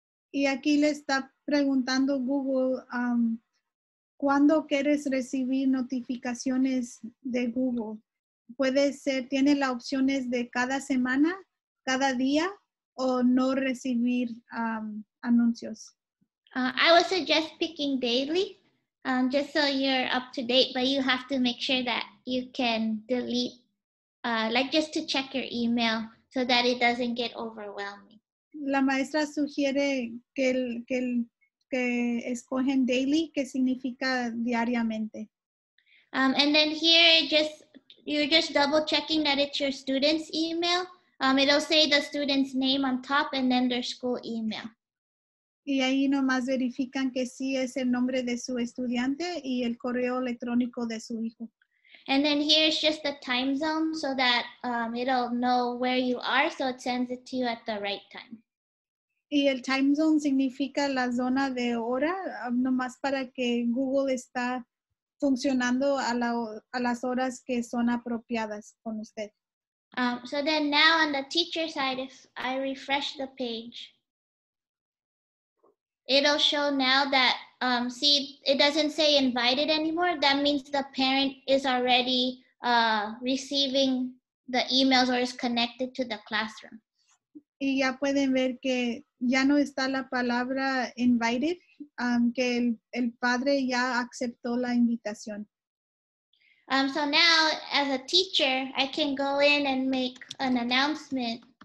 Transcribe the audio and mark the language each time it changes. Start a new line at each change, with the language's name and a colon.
Spanish: Y aquí le está preguntando Google, ¿cuándo quieres recibir notificaciones de Google? Puede ser, tiene las opciones de cada semana, cada día, o no recibir anuncios.
English: I would suggest picking daily, just so you're up to date, but you have to make sure that you can delete, just to check your email so that it doesn't get overwhelming.
Spanish: La maestra sugiere que escogen daily, que significa diariamente.
English: And then here, you're just double checking that it's your student's email. It'll say the student's name on top and then their school email.
Spanish: Y ahí nomás verifican que sí es el nombre de su estudiante y el correo electrónico de su hijo.
English: And then here's just the time zone so that it'll know where you are, so it sends it to you at the right time.
Spanish: Y el
English: time zone
Spanish: significa la zona de hora, nomás para que Google está funcionando a las horas que son apropiadas con usted.
English: So then now on the teacher side, if I refresh the page, it'll show now that, see, it doesn't say invited anymore. That means the parent is already receiving the emails or is connected to the classroom.
Spanish: Y ya pueden ver que ya no está la palabra invited, que el padre ya aceptó la invitación.
English: So now, as a teacher, I can go in and make an announcement.